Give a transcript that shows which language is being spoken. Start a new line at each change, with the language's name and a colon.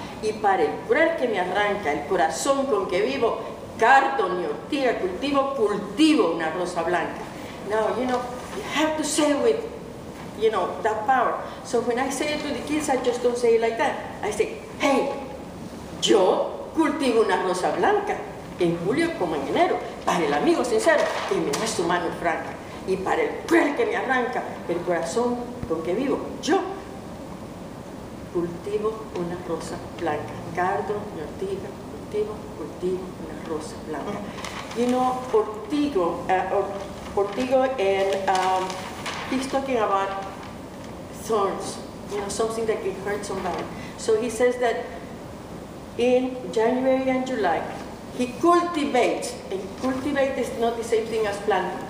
Spanish: Y para el cruel que me arranca, el corazón con que vivo, carto mi ortiga, cultivo, cultivo una rosa blanca.
English: Now, you know, you have to say it with, you know, that power. So when I say it to the kids, I just don't say it like that. I say, hey,
Spanish: yo cultivo una rosa blanca, en julio como en enero, para el amigo sincero, que me da su mano franca. Y para el cruel que me arranca, el corazón con que vivo, yo cultivo una rosa blanca. Cardo, mi ortiga, cultivo, cultivo una rosa blanca.
English: You know, ortigo, ortigo, and he's talking about thorns, you know, something that can hurt somebody. So he says that in January and July, he cultivates, and cultivate is not the same thing as planting.